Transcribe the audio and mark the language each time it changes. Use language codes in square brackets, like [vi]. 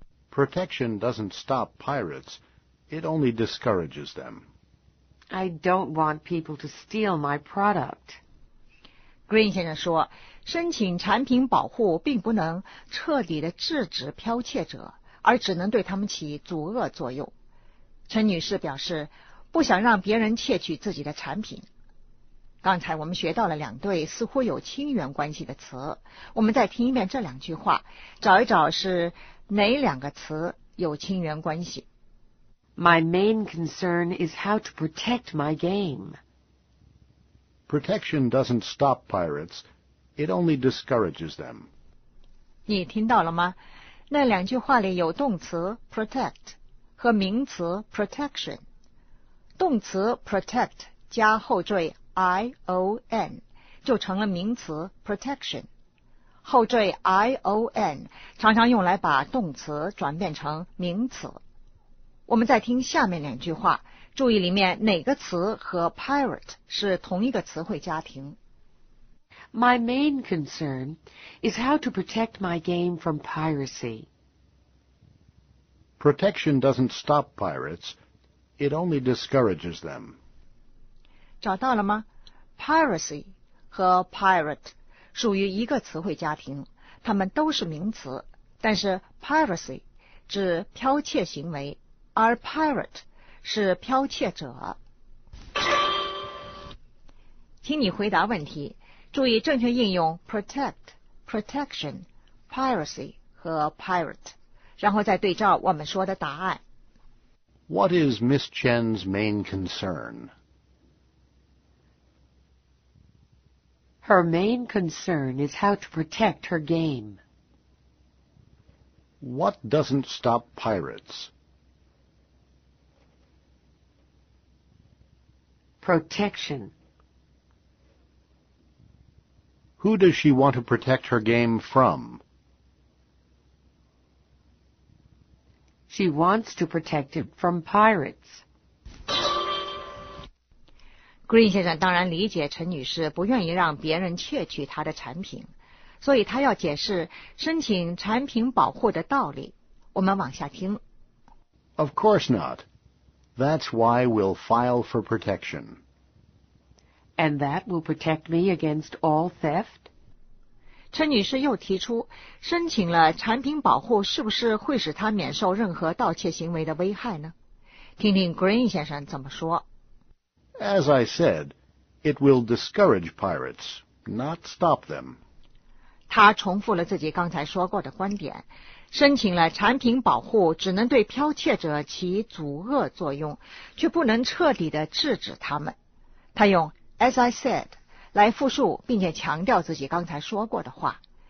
[en] Protection doesn't stop pirates. It only discourages them. I don't want people to steal my product. [zh] Green 先生说，申请产品保护并不能彻底地制止剽窃者，而只能对他们起阻遏作用。陈女士表示，不想让别人窃取自己的产品。刚才我们学到了两对似乎有亲缘关系的词，我们再听一遍这两句话，找一找是哪两个词有亲缘关系。 [en] My main concern is how to protect my game. Protection doesn't stop pirates, it only discourages them. [zh] 你听到了吗？那两句话里有动词 protect 和名词 protection。动词 protect 加后缀 ion 就成了名词 protection。后缀 ion 常常用来把动词转变成名词。我们再听下面两句话，注意里面哪个词和 pirate 是同一个词汇家庭。 [en] My main concern is how to protect my game from piracy. Protection doesn't stop pirates, it only discourages them. [zh] 找到了吗？ Piracy 和 pirate 属于一个词汇家庭，它们都是名词，但是 piracy 指剽窃行为，而 pirate 是剽窃者。请你回答问题，注意正确应用 protect、protection、piracy 和 pirate， 然后再对照我们说的答案。 [en] What is Miss Chen's main concern? Her main concern is how to protect her game. What doesn't stop pirates? Protection. Who does she want to protect her game from? She wants to protect it from pirates. [zh] Green 先生当然理解陈女士不愿意让别人窃取她的产品，所以她要解释申请产品保护的道理。我们往下听。 [en] Of course not. That's why we'll file for protection. And that will protect me against all theft? [zh] 陈女士又提出，申请了产品保护是不是会使她免受任何盗窃行为的危害呢？听听 Green 先生怎么说。 [en] As I said, it will discourage pirates, not stop them. [zh] 她重复了自己刚才说过的观点，申请了产品保护只能对剽窃者起阻遏作用，却不能彻底地制止他们。她用 [en] As I said, [zh] 来复述并且强调自己刚才说过的话。